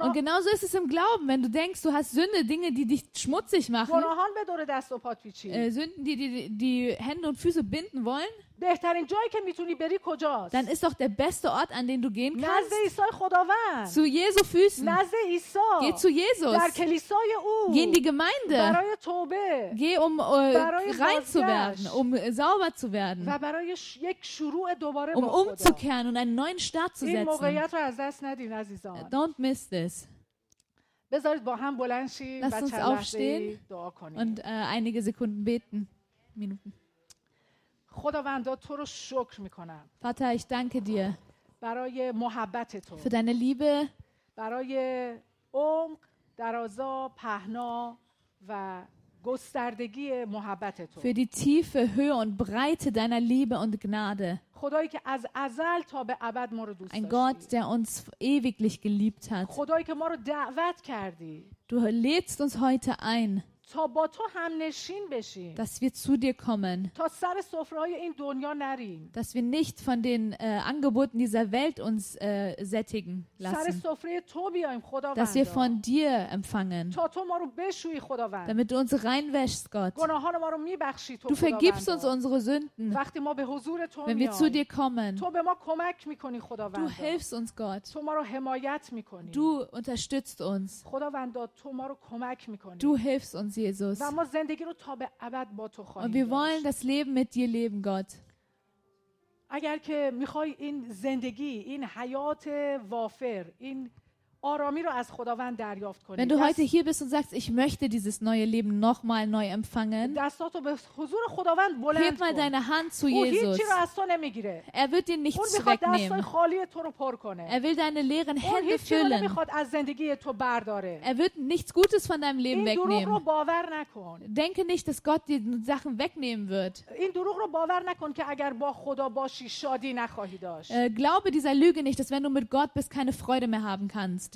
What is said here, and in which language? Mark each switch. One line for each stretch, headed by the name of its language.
German: Und genauso ist es im Glauben, wenn du denkst, du hast Sünde, Dinge, die dich schmutzig machen, Sünden, die die Hände und Füße binden wollen,
Persian: بهترین جایی که میتونی بری کجاست؟
German: Dann ist doch der beste Ort, an den du gehen kannst.
Persian: نزد عیسی خداوند.
German: Zu Jesu Füßen.
Persian: نزد عیسی.
German: Geh zu Jesus.
Persian: در کلیسای او.
German: Geh in die Gemeinde.
Persian: برای توبه.
German: Geh rein zu werden, sauber zu werden.
Persian: و برای یک شروع دوباره.
German: Umzukehren und einen neuen Start zu setzen.
Persian: این موقعیت رو از دست ندین عزیزان.
English: Don't miss this.
Persian: بذارید با هم بلند شیم.
German: Lass uns aufstehen und einige Sekunden beten. Minuten.
Persian: خداوند تو رو شکر میکنم.
German: Vater, ich danke dir.
Persian: برای محبت تو.
German: Für deine Liebe.
Persian: برای عمق، درازا، پهنا و گستردگی محبت تو.
German: Für die Tiefe, Höhe und Breite deiner Liebe und Gnade.
Persian: خدایی که از ازل تا به ابد ما رو دوست داشتی.
German: Ein Gott, der uns ewiglich geliebt hat.
Persian: خدایی که ما رو دعوت کردی.
German: Du lädst uns heute ein.
Persian: تا با تو هم نشین بشیم.
German: Dass wir zu dir kommen.
Persian: تا سر سفره این دنیا نریم.
German: Dass wir nicht von den Angeboten dieser Welt uns sättigen lassen.
Persian: سر سفره تو بیایم خداوند.
German: Dass wir von dir empfangen.
Persian: تا تو ما رو بشویی خداوند.
German: Damit du uns reinwäschst, Gott.
Persian: گناهان ما رو میبخشی تو خداوند.
German: Du vergibst uns unsere Sünden.
Persian: وقتی ما به حضور تو میایم.
German: Wenn wir zu dir kommen.
Persian: تو به ما کمک میکنی خداوند.
German: Du hilfst uns, Gott.
Persian: تو ما رو حمایت میکنی.
German: Du unterstützt uns.
Persian: خداوند تو ما رو کمک میکنی.
German: Du hilfst uns, Jesus.
Persian: ما زندگی رو تا به ابد با تو خواهیم داشت.
German: Und wir wollen das Leben mit dir leben, Gott.
Persian: اگر که میخوای این زندگی، این حیات وافر، این آرامی رو از خداوند دریافت کنی.
German: Wenn du heute hier bist und sagst, ich möchte dieses neue Leben noch mal neu empfangen.
Persian: دستاتو به حضور خداوند بلند کن.
German: Heb mal deine Hand zu Jesus.
Persian: اون هیچی رو از تو نمیگیره.
German: Er wird dir nichts wegnehmen.
Persian: اون میخواد دستای خالی تو رو پر کنه.
German: Er will deine leeren Hände füllen.
Persian: اون میخواد از زندگی تو برداره.
German: Er wird nichts Gutes von deinem Leben wegnehmen.
Persian: این دروغ رو باور نکن.
German: Denke nicht, dass Gott dir Sachen wegnehmen wird.
Persian: این دروغ رو باور نکن که اگر با خدا باشی شادی نخواهی داشت.
German: Glaube dieser Lüge nicht, dass wenn du mit Gott bist, keine Freude mehr haben kannst.